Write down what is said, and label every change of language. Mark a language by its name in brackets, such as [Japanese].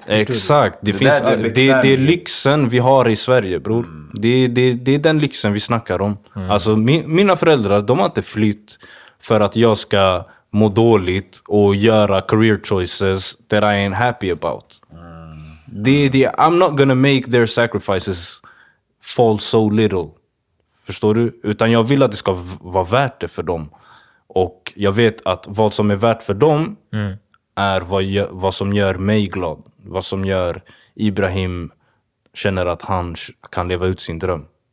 [Swedish] Exakt, det är lyxen vi har i Sverige, bror. Det är den lyxen vi snackar om. Alltså mina föräldrar, de har inte flytt för att jag ska må dåligt och göra [English] career choices that I ain't happy about. I'm not gonna make their sacrifices fall so little. [Swedish] Förstår du? Utan jag vill att det ska vara värt det för dem. Och jag vet att vad som är värt för dem är vad som gör mig glad. Vad som gör Ibrahim känner att han kan leva ut sin dröm.